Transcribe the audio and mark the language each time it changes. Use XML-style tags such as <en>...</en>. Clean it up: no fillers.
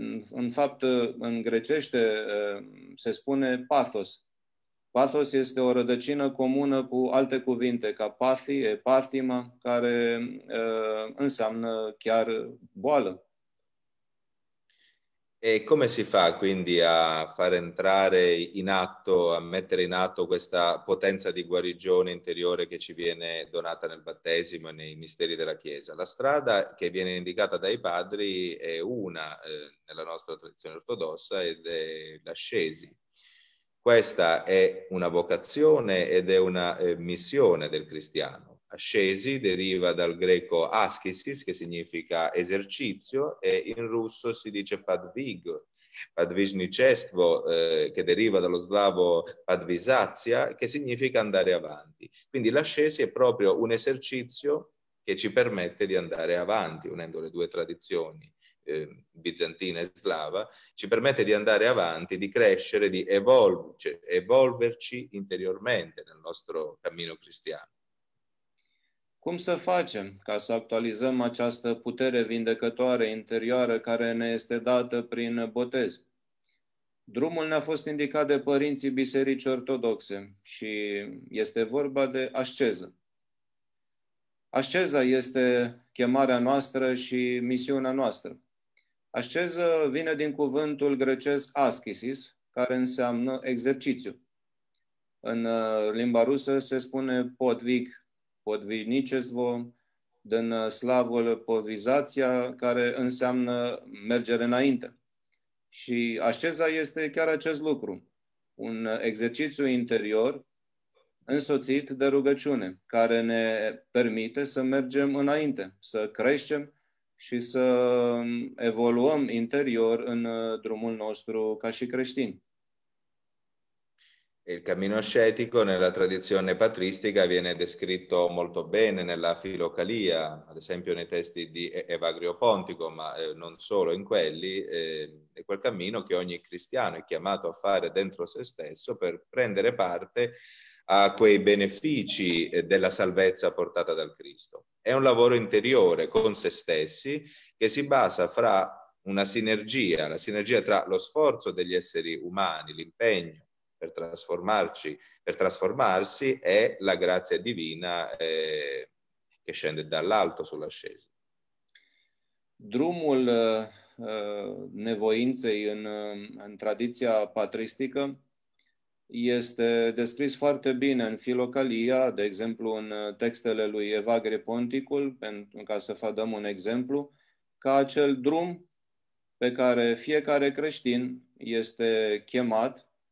<ro>În fapt, în grecește se spune pathos. Pathos este o rădăcină comună cu alte cuvinte, ca pathi, epathima, care înseamnă chiar boală.</ro> <it>E come si fa quindi a far entrare in atto, a mettere in atto questa potenza di guarigione interiore che ci viene donata nel battesimo e nei misteri della Chiesa? La strada che viene indicata dai padri è una nella nostra tradizione ortodossa ed è l'ascesi. Questa è una vocazione ed è una missione del cristiano. Ascesi deriva dal greco askesis, che significa esercizio, e in russo si dice padvig, padvižničestvo, che deriva dallo slavo padvizacja, che significa andare avanti. Quindi l'ascesi è proprio un esercizio che ci permette di andare avanti, unendo le due tradizioni, bizantina e slava, ci permette di andare avanti, di crescere, di evolverci interiormente nel nostro cammino cristiano.</it> <ro>Cum să facem ca să actualizăm această putere vindecătoare interioară care ne este dată prin botez? Drumul ne-a fost indicat de părinții Bisericii Ortodoxe și este vorba de asceză. Asceza este chemarea noastră și misiunea noastră. Asceză vine din cuvântul grecesc askesis, care înseamnă exercițiu. În limba rusă se spune podvig. Podvinicezvo, din slavul podvizația, care înseamnă mergere înainte. Și asceza este chiar acest lucru, un exercițiu interior însoțit de rugăciune, care ne permite să mergem înainte, să creștem și să evoluăm interior în drumul nostru ca și creștini.</ro> <it>Il cammino ascetico nella tradizione patristica viene descritto molto bene nella Filocalia, ad esempio nei testi di Evagrio Pontico, ma non solo in quelli, è quel cammino che ogni cristiano è chiamato a fare dentro se stesso per prendere parte a quei benefici della salvezza portata dal Cristo. È un lavoro interiore con se stessi che si basa fra la sinergia tra lo sforzo degli esseri umani, l'impegno, per trasformarsi è la grazia divina che scende dall'alto sull'ascesa.</it> <ro>Drumul nevoinței în tradiția patristică este descris foarte bine în Filocalia, de exemplu în textele lui Evagrie Ponticul, pentru ca să vă dăm un exemplu, ca acel drum pe care fiecare creștin este chemat</ro>